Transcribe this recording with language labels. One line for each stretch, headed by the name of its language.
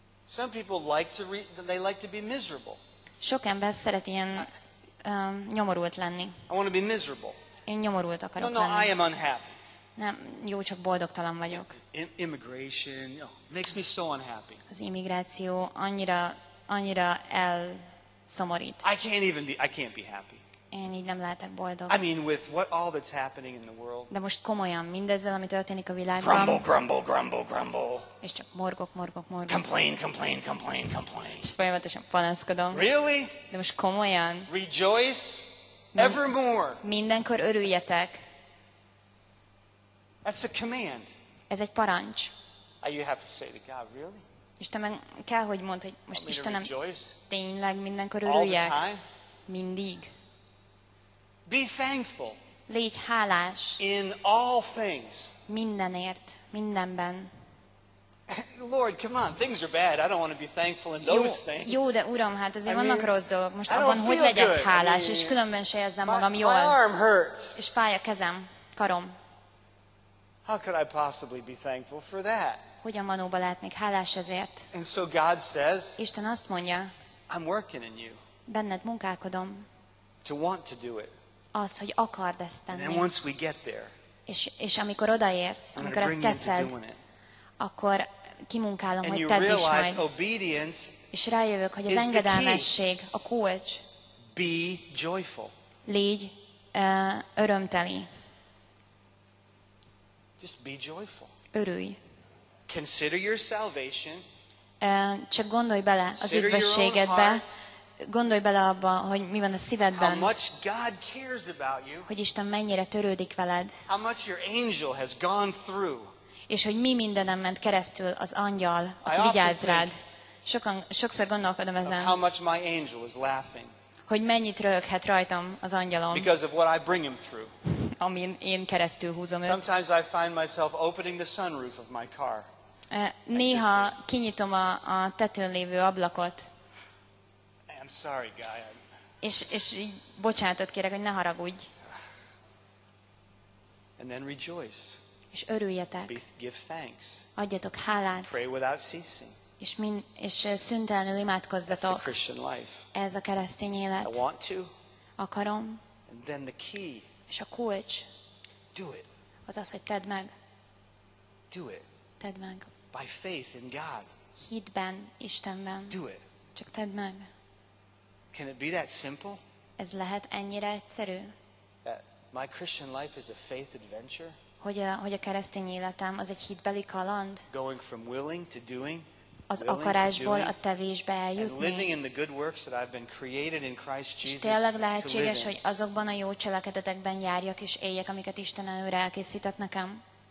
English: Some people like to they like to be miserable.
Hungarian: Sok ember szeret ilyen nyomorult lenni.
English: I want to be miserable.
Hungarian: Én nyomorult akarok lenni.
English: No, I am unhappy.
Hungarian: Nem, jó, csak boldogtalan vagyok.
English: Immigration, makes me so unhappy.
Hungarian: Az immigráció annyira elszomorít.
English: I can't be happy.
Hungarian: Én így nem lehetek boldog.
English: I mean, with what all that's happening in the world.
Hungarian: De most komolyan, mindezzel, ami történik a világban.
English: Grumble, grumble, grumble, grumble.
Hungarian: És csak morgok, morgok, morgok.
English: Complain, complain, complain, complain.
Hungarian: És folyamatosan panaszkodom.
English: Really?
Hungarian: De most komolyan.
English: Rejoice evermore.
Hungarian: Mindenkor örüljetek.
English: That's a command.
Hungarian: Ez egy parancs.
English: You have to say to God, really?
Hungarian: Istenem, kell, hogy mondd, hogy most Istenem, tényleg mindenkor örüljek. Mindig.
English: Be thankful.
Hungarian: Légy hálás.
English: In all things.
Hungarian: Mindenért, mindenben.
English: Lord, come on, things are bad. I don't want to be thankful in those things.
Hungarian: Jó, de uram, hát azért vannak rossz dolgok. Most abban, hogy legyek hálás, és különben se érzem magam jól.
English: My arm hurts.
Hungarian: És fáj a kezem, karom.
English: How could I possibly be thankful for that?
Hungarian: Hogyan manóba lehetnék hálás ezért?
English: And so God says,
Hungarian: Isten azt mondja,
English: I'm working in you.
Hungarian: Benned munkálkodom.
English: To want to do it.
Hungarian: Az, hogy akard ezt tenni.
English: And then once we get there,
Hungarian: és amikor odaérsz, amikor ezt teszed, akkor kimunkálom,
English: and
Hungarian: hogy
English: you
Hungarian: tedd
English: realize
Hungarian: is majd.
English: Obedience
Hungarian: és rájövök, hogy az engedelmesség a kulcs.
English: Be joyful.
Hungarian: Légy örömteli.
English: Just be joyful.
Hungarian: Örülj.
English: Consider your salvation.
Hungarian: Csak gondolj bele az üdvösségedbe. Gondolj bele abba, hogy mi van a szívedben.
English: How much God cares about you.
Hungarian: Hogy Isten mennyire törődik veled.
English: How much your angel has gone through.
Hungarian: És hogy mi mindenem ment keresztül az angyal, aki vigyáz rád. Sokszor gondolkodom ezen.
English: How much my angel is laughing.
Hungarian: Hogy mennyit röhöghet rajtam az angyalom.
English: Because of what I bring him through.
Hungarian: Amin én keresztül húzom őt.
English: Sometimes I find myself opening the sunroof of my car.
Hungarian: Néha kinyitom a tetőn lévő ablakot.
English: I'm sorry, guy.
Hungarian: És így bocsánatot kérek, hogy ne haragudj.
English: And then rejoice.
Hungarian: És örüljetek.
English: Give thanks.
Hungarian: Adjatok hálát.
English: Pray without ceasing.
Hungarian: És szüntelenül imádkozzatok.
English: That's the Christian life.
Hungarian: Ez a keresztény élet.
English: I want to.
Hungarian: Akarom.
English: And then the key.
Hungarian: És a kulcs.
English: Do it.
Hungarian: Az az, hogy tedd meg.
English: Do it.
Hungarian: Tedd meg.
English: By faith in God.
Hungarian: Hitben, Istenben.
English: Do it.
Hungarian: Csak tedd meg.
English: Can it be that simple?
Hungarian: Ez lehet ennyire egyszerű?
English: That my Christian life is a faith adventure.
Hungarian: Hogy a keresztény életem az egy hitbeli kaland.
English: Going from willing to doing.
Hungarian: Az akarásból a tevésbe eljutni.
English: And living in the good works that I've been created in Christ Jesus.
Hungarian: És tényleg lehetséges, hogy azokban a jó cselekedetekben járjak és éljek, amiket Isten előre elkészített nekem.